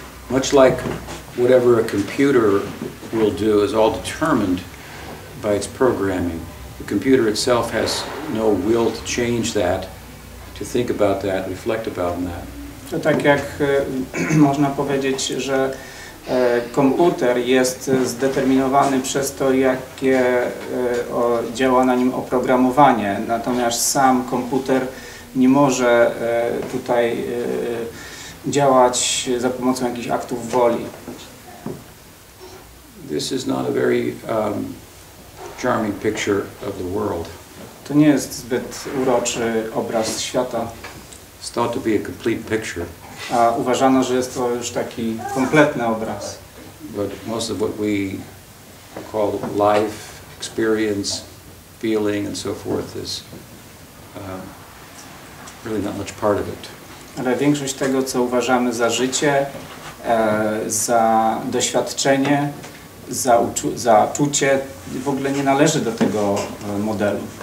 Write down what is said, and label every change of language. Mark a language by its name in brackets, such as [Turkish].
[English] Much like whatever a computer will do is all determined by its programming. The computer itself has no will to change that, to think about that, reflect about that. [Polish] To tak jak można powiedzieć, że komputer jest zdeterminowany przez to, jakie działa na nim oprogramowanie. Natomiast sam komputer nie może tutaj działać za pomocą jakichś aktów woli. [English] This is not a very charming picture of the world. [Polish] To nie jest zbyt uroczy obraz świata. [English] It's thought to be a complete picture. [Polish] A uważano, że jest to już taki kompletny obraz. [English] But most of what we call life, experience, feeling, and so forth is really not much part of it. [Polish] Ale większość tego, co uważamy za życie, za doświadczenie, za czucie, w ogóle nie należy do tego modelu.